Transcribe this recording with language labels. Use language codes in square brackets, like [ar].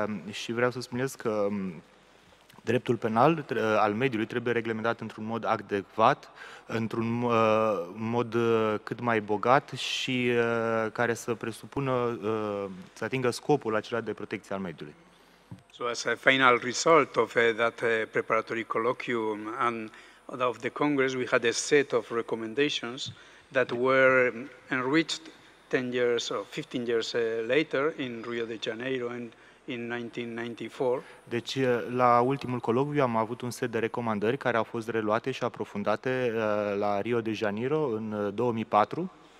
[ro] Și vreau să spunez că dreptul penal al mediului trebuie reglementat într-un mod adecvat, într-un mod cât mai bogat și care să presupună, să atingă scopul acela de protecție al mediului. [en] So as a final result of that preparatory colloquium and of the Congress, we had a set of recommendations that were enriched 10 years or 15 years later in Rio de Janeiro and in 1994. [ro] Deci la ultimul colocviu am avut un set de recomandări care au fost reluate și aprofundate la Rio de Janeiro în 2004.